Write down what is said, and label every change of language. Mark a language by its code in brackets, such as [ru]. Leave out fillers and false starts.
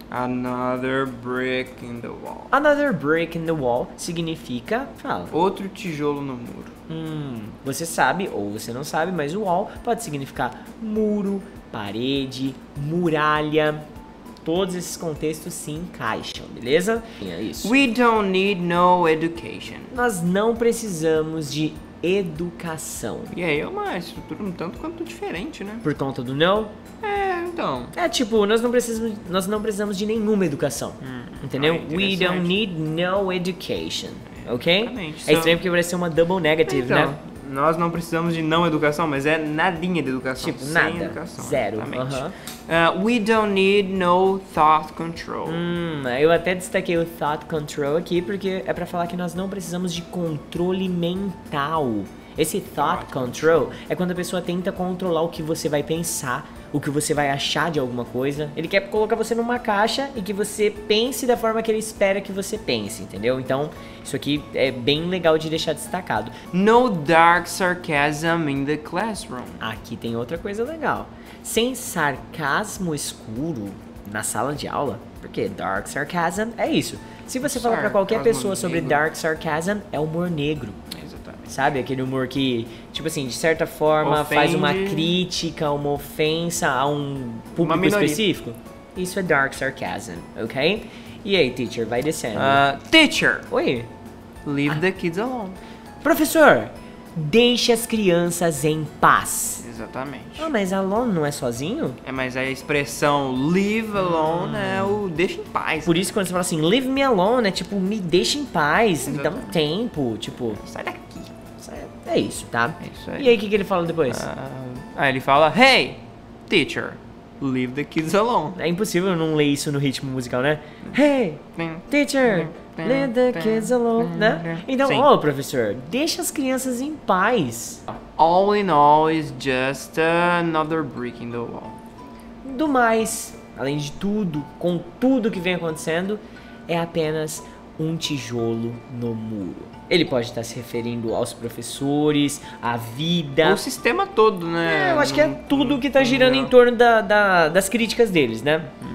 [en] Another Brick in the Wall. [pt] Another Brick in the Wall significa, fala. Outro tijolo no muro. Você sabe ou você não sabe, mas o wall pode significar muro, parede, muralha. Todos esses contextos se encaixam, beleza? É isso. [en] We don't need no education. [pt] Nós não precisamos de educação. E aí é uma estrutura um tanto quanto diferente, né? Por conta do não? É, então. É tipo, nós não precisamos de nenhuma educação. Entendeu? Ah, [en] we don't need no education. [pt] Ok? Exatamente. É estranho porque vai ser uma double negative, então, né? Nós não precisamos de não educação, mas é nadinha de educação. Tipo, sem nada. Educação, zero. Uh-huh. [en] We don't need no thought control. [pt] Eu até destaquei o thought control aqui porque é pra falar que nós não precisamos de controle mental. Esse thought control é quando a pessoa tenta controlar o que você vai pensar, o que você vai achar de alguma coisa. Ele quer colocar você numa caixa e que você pense da forma que ele espera que você pense, entendeu? Então, isso aqui é bem legal de deixar destacado. [en] No dark sarcasm in the classroom. [pt] Aqui tem outra coisa legal. Sem sarcasmo escuro na sala de aula, porque dark sarcasm é isso. Se você falar pra qualquer pessoa sobre dark sarcasm, é humor negro. Sabe, aquele humor que, tipo assim, de certa forma ofende, faz uma crítica, uma ofensa a um público específico. Isso é dark sarcasm, ok? E aí, teacher, vai descendo. [en] Teacher! [pt] Oi? [en] Leave the kids alone. [pt] Professor, deixe as crianças em paz. Exatamente. Ah, mas alone não é sozinho? É, mas a expressão leave alone é o deixa em paz. Por isso quando você fala assim, [en] leave me alone, [pt] é tipo, me deixa em paz, exatamente. Me dá um tempo, tipo... Sai daqui. É isso, tá? É isso aí. E aí, o que, que ele fala depois? Aí ele fala, [en] hey, teacher, leave the kids alone. [pt] É impossível não ler isso no ritmo musical, né? [en] Hey, teacher, leave the kids alone, né? [pt] Então, ô, professor, deixa as crianças em paz. [en] All in all is just another brick in the wall. [pt] Do mais, além de tudo, com tudo que vem acontecendo, é apenas um tijolo no muro. Ele pode estar se referindo aos professores, à vida... O sistema todo, né? É, eu acho que é tudo que tá girando em torno das críticas deles, né?